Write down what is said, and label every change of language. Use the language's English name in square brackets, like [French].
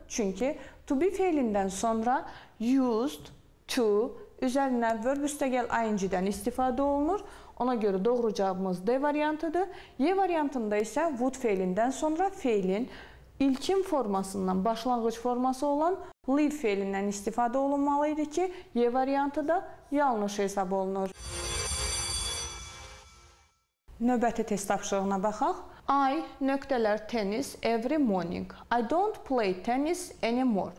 [Azerbaijani] Çünki to be fiilindən sonra used to üzərinə verb üstəgəl ing-dən istifadə olunur. Ona görə doğru cavabımız D variantıdır. Y variantında isə would fiilindən sonra fiilin ilkin formasından başlanğıc forması olan live fiilindən istifadə olunmalıydı ki, Y variantı da yanlış hesab olunur. Növbəti test tapşırığına baxaq. I nöqtələr [English] tennis every morning. I don't play tennis anymore.